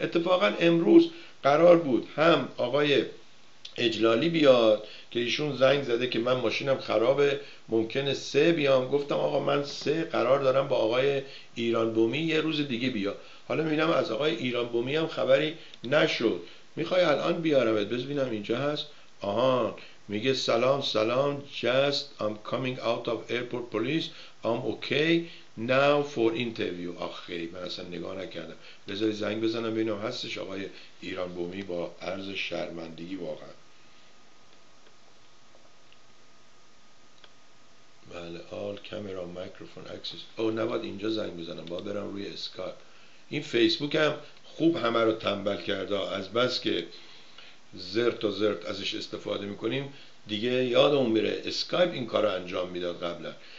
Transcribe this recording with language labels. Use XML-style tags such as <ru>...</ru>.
<fa>اتفاقا امروز قرار بود هم آقای اجلالی بیاد که ایشون زنگ زده که من ماشینم خرابه ممکنه سه بیام، گفتم آقا من سه قرار دارم با آقای ایران بومی یه روز دیگه بیا. حالا میبینم از آقای ایران بومی هم خبری نشد، میخوای الان بیارمت ببینم اینجا هست. آهان میگه سلام سلام،</fa> <en>just I'm coming out of airport police، I'm okay now for interview.</en> <fa>آخی من اصلا نگاه نکردم، بذاری زنگ بزنم ببینم هستش. آقای ایران بومی با عرض شرمندگی واقعا. بله</fa> <en>all camera microphone access.</en> <fa>او نباید اینجا زنگ بزنم، باید برم روی اسکایپ. این فیسبوک هم خوب همه رو تنبل کرده، از بس که زرت و زرت ازش استفاده میکنیم دیگه یادمون میره اسکایپ این کار رو انجام میداد قبلا.</fa>